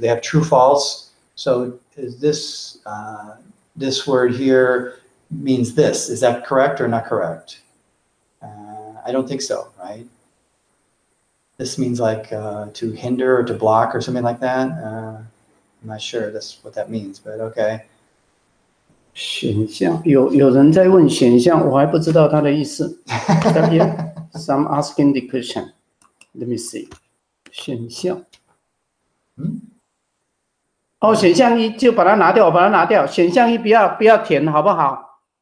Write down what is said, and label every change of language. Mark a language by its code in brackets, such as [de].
[en] They have true, false. So is this this word here means this. Is that correct or not correct? I don't think so, right? This means like to hinder or to block or something like that. I'm not sure that's what that means, but okay. [zh] 选项,有人在问选项, 我还不知道他的意思。 [en] So I'm asking the question. Let me see. 选项。 [zh] Oh, 选项一就把它拿掉,我把它拿掉。选项一不要填,好不好?